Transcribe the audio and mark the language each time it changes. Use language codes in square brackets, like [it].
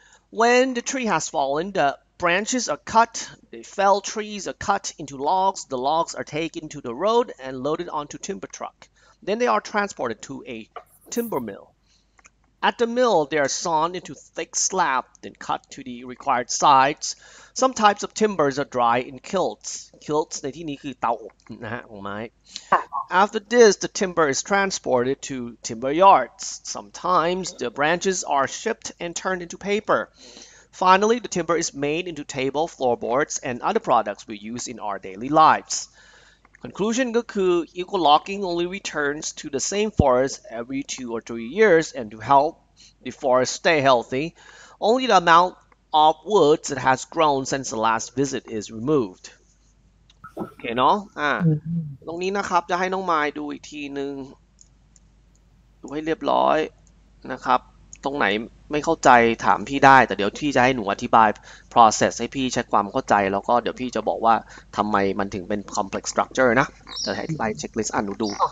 [en] When the tree has fallen, the branches are cut. The felled trees are cut into logs. The logs are taken to the road and loaded onto timber truck. Then they are transported to a timber mill. At the mill, they are sawn into thick slabs, then cut to the required sides. Some types of timbers are dry in kilns. [th] Kilns ในที่นี้คือเตาอบนะฮะของไม้. [en] After this, the timber is transported to timber yards. Sometimes the branches are shipped and turned into paper. Finally, the timber is made into table, floorboards, and other products we use in our daily lives. Conclusion [th] ก็คือ [en] eco logging only returns to the same forest every 2 or 3 years and to help the forest stay healthy, only the amount of woods that has grown since the last visit is removed. [th] โอเคเนาะตรงนี้นะครับจะให้น้องมายดูอีกทีนึงดูให้เรียบร้อยนะครับตรงไหนไม่เข้าใจถามพี่ได้แต่เดี๋ยวพี่จะให้หนูอธิบาย process ให้พี่ใช้ความเข้าใจแล้วก็เดี๋ยวพี่จะบอกว่าทำไมมันถึงเป็น complex structure นะจะให้ไล่ checklist อ่านหนูดู